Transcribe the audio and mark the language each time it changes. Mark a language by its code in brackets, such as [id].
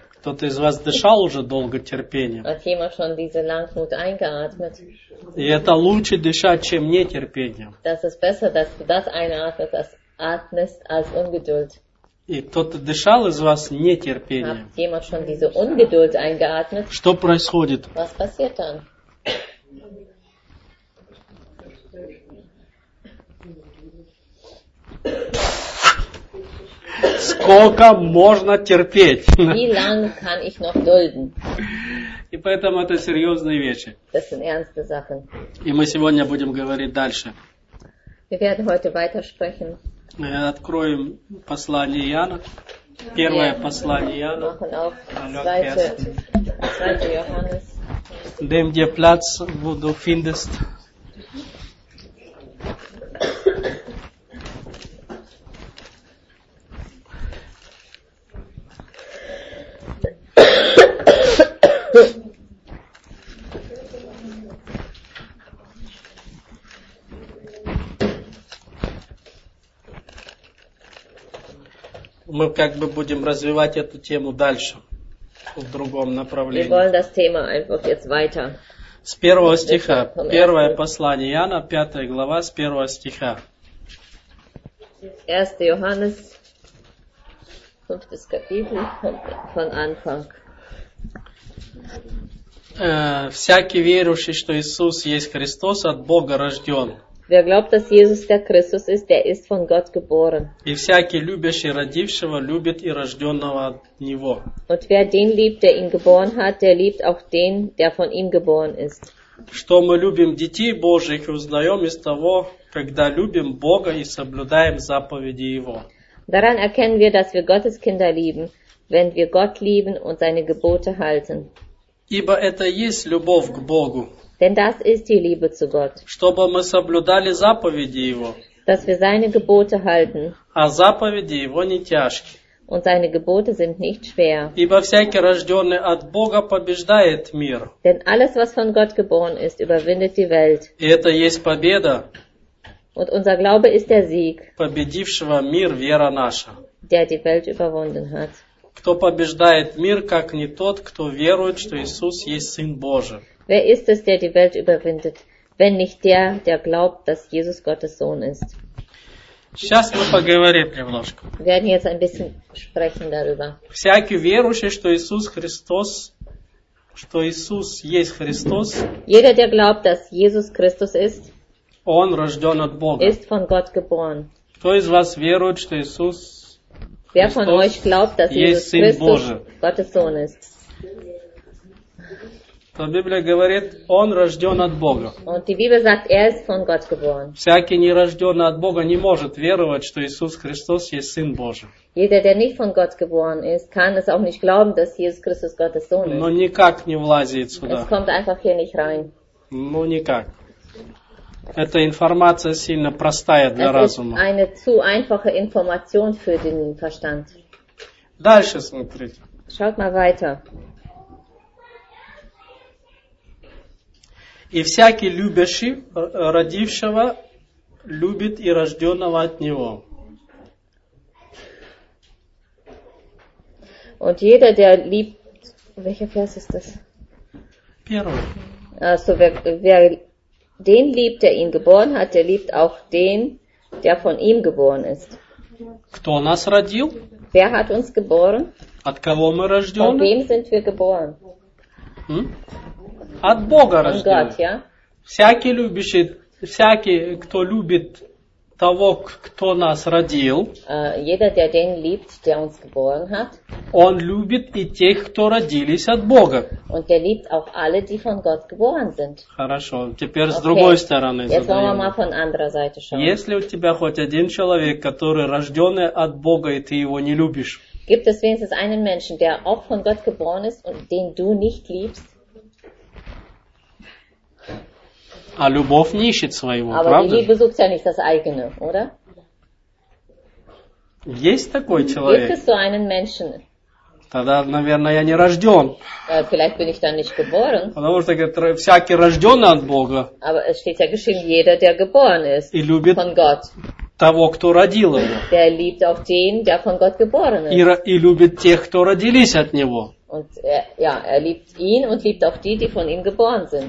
[ru] Кто-то из вас дышал уже долготерпением? [de] Hat jemand schon diese Langmut eingeatmet? [ru] И это лучше дышать, чем нетерпением. [de] Das ist besser, dass du das einatmest, als atmest, als Ungeduld. [ru] И кто-то дышал из вас нетерпением. Что происходит? [de] Was passiert dann? [ru] Сколько можно терпеть? [de] Wie lange kann ich noch dulden? [ru] И поэтому это серьезные вещи. [de] Das sind ernste Sachen. [ru] И мы сегодня будем говорить дальше. [de] Wir werden heute weitersprechen. [ru] Откроем послание Иоанна. Первое послание Иоанна. [de] Dem dir Platz, wo du findest. [ru] Мы как бы будем развивать эту тему дальше, в другом направлении. [de] Wir wollen das Thema einfach jetzt weiter. [ru] С первого стиха, первое послание Иоанна, пятая глава, с первого стиха. [de] 1. Johannes, 5. Kapitel, von Anfang. [ru] Всякий верующий, что Иисус есть Христос, от Бога рожден. [de] Wer glaubt, dass Jesus der Christus ist, der ist von Gott geboren. [ru] И всякий любящий родившего любит и рожденного от него. [de] Und wer den liebt, der ihn geboren hat, der liebt auch den, der von ihm geboren ist. [ru] Что мы любим детей Божьих и узнаем из того, когда любим Бога и соблюдаем заповеди Его. [de] Daran erkennen wir, dass wir Gottes Kinder lieben, wenn wir Gott lieben und seine Gebote halten. [ru] Ибо это есть любовь к Богу. [de] Denn das ist die Liebe zu Gott. [ru] Чтобы мы соблюдали заповеди Его. [de] Dass wir seine Gebote halten. [ru] А заповеди Его не тяжки. [de] Und seine Gebote sind nicht schwer. [ru] Ибо всякий рожденный от Бога побеждает мир. [de] Denn alles, was von Gott geboren ist, überwindet die Welt. [ru] И это есть победа. [de] Und unser Glaube ist der Sieg. [ru] Победившего мир вера наша. [de] Der die Welt überwunden hat. [ru] Кто побеждает мир, как не тот, кто верует, что Иисус есть Сын Божий. [de] Wer ist es, der die Welt überwindet, wenn nicht der, der glaubt, dass Jesus Gottes Sohn ist? [ru] Сейчас мы поговорим немножко. [de] Wir werden jetzt ein bisschen sprechen darüber. [ru] Всякий верующий, что Иисус Христос, что Иисус есть Христос, [de] jeder, der glaubt, dass Jesus Christus ist, [ru] он рожден от Бога. [de] Ist von Gott geboren. [ru] Кто из вас верует, что Иисус Христос, [de] wer von euch glaubt, dass Jesus Christus Gottes Sohn ist? [ru] То Библия говорит, он рожден от Бога. [de] Und die Bibel sagt, er ist von Gott geboren. [ru] Всякий нерожденный от Бога не может веровать, что Иисус Христос есть Сын Божий. [de] Jeder, der nicht von Gott geboren ist, kann es auch nicht glauben, dass Jesus Christus Gottes Sohn ist. [ru] Но никак не влазит сюда. [de] Es kommt einfach hier nicht rein. [ru] Ну никак. Эта информация сильно простая для [de] es [ru] разума. [de] Ist eine zu einfache Information für den Verstand. [ru] Дальше смотрите. [de] Schaut mal weiter. [ru] И всякий любящий родившего любит и рожденного от него. [de] Und jeder, der liebt, welcher Vers ist das? [ru] Первый. [de] Also wer den liebt, der ihn geboren hat, der liebt auch den, der von ihm geboren ist. [ru] Кто нас родил? [de] Wer hat uns geboren? [ru] От кого мы рождены? [de] Von wem sind wir geboren? [ru] От Бога рождены. Всякий любящий, всякий, кто любит того, кто нас родил, [de] jeder, der den liebt, der uns geboren hat, [ru] он любит и тех, кто родились от Бога. [de] Und er liebt auch alle, die von Gott geboren sind. [ru] Хорошо, теперь okay. С другой стороны [de] Jetzt [ru] задаем. [de] Wollen wir mal von anderer Seite schauen. [ru] Если у тебя хоть один человек, который рожденный от Бога, и ты его не любишь, [de] gibt es wenigstens einen Menschen, der auch von Gott geboren ist und den du nicht liebst? [ru] А любовь не ищет своего, [de] Aber [ru] правда? [de] Die Liebe sucht ja nicht das eigene, oder? [ru] Есть такой человек? [de] Gibt es so einen Menschen? [ru] Тогда, наверное, я не рожден. [de] Vielleicht bin ich dann nicht geboren. [ru] Потому что всякий рожден от Бога. [de] Aber es steht ja geschrieben, jeder, der geboren ist, [ru] и любит [de] von Gott. [ru] Того, кто родил его. [de] Der liebt auch den, der von Gott geboren ist. [ru] И любит тех, кто родились от него. [de] Und er liebt ihn und liebt auch die, die von ihm geboren sind.